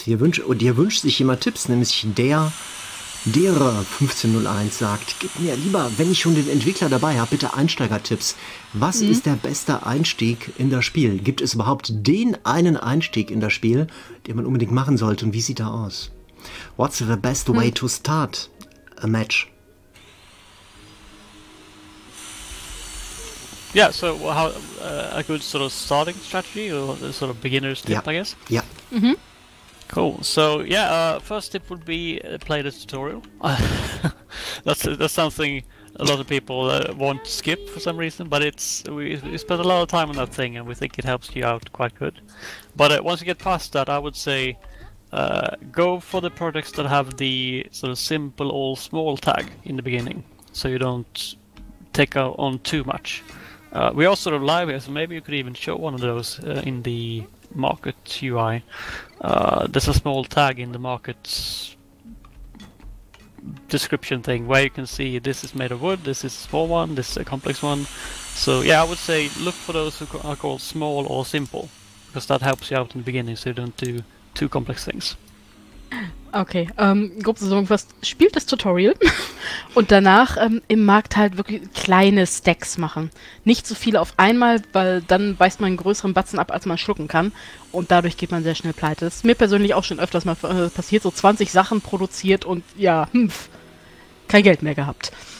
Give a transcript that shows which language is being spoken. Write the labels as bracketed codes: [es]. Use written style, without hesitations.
[de] Hier wünscht sich jemand Tipps, nämlich der 1501 sagt, gib mir lieber, wenn ich schon den Entwickler dabei habe, bitte Einsteiger-Tipps. Was ist der beste Einstieg in das Spiel? Gibt es überhaupt den einen Einstieg in das Spiel, den man unbedingt machen sollte und wie sieht er aus? [en] What's the best way to start a match? Yeah, so how a good sort of starting strategy or a sort of beginner's tip, yeah. I guess. Yeah. Cool. So yeah, first tip would be play the tutorial. that's something a lot of people won't skip for some reason, but we spend a lot of time on that thing and we think it helps you out quite good. But once you get past that, I would say go for the projects that have the sort of simple all small tag in the beginning, so you don't take on too much. We are sort of live here, so maybe you could even show one of those in the market UI. There's a small tag in the market description thing where you can see this is made of wood, this is a small one, this is a complex one. So yeah, I would say look for those who are called small or simple, because that helps you out in the beginning so you don't do too complex things. [de] Okay, grob zusammengefasst, spielt das Tutorial und danach im Markt halt wirklich kleine Stacks machen. Nicht so viele auf einmal, weil dann beißt man einen größeren Batzen ab, als man schlucken kann und dadurch geht man sehr schnell pleite. Das ist mir persönlich auch schon öfters mal passiert, so 20 Sachen produziert und ja, kein Geld mehr gehabt.